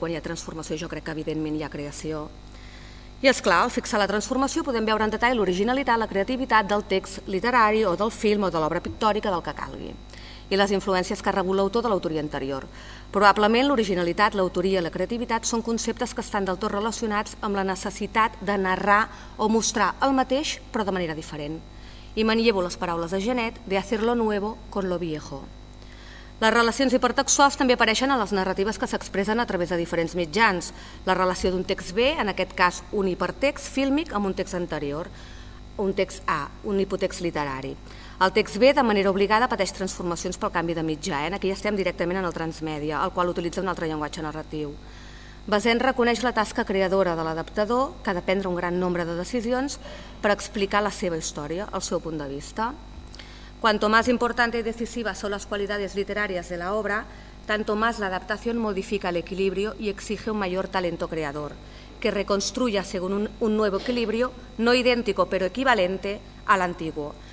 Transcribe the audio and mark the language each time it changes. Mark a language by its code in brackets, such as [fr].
[ca] Quan hi ha transformació, jo crec que evidentment hi ha creació. I és clar, al fixar la transformació podem veure en detall l'originalitat, la creativitat del text literari o del film o de l'obra pictòrica, del que calgui, i les influències que ha rebut l'autor de l'autoria anterior. Probablement l'originalitat, l'autoria i la creativitat són conceptes que estan del tot relacionats amb la necessitat de narrar o mostrar el mateix, però de manera diferent. I manllevo les paraules de Genet, de [es] hacer lo nuevo con lo viejo. [ca] Les relacions hipertextuals també apareixen a les narratives que s'expressen a través de diferents mitjans. La relació d'un text B, en aquest cas un hipertext fílmic, amb un text anterior, un text A, un hipotext literari. El text B, de manera obligada, pateix transformacions pel canvi de mitjà. Aquí ja estem directament en el transmèdia, el qual utilitza un altre llenguatge narratiu. Bazin reconeix la tasca creadora de l'adaptador, que ha de prendre un gran nombre de decisions per explicar la seva història, el seu punt de vista. [es] Cuanto más importante y decisiva son las cualidades literarias de la obra, tanto más la adaptación modifica el equilibrio y exige un mayor talento creador, que reconstruya según un nuevo equilibrio, no idéntico pero equivalente al antiguo.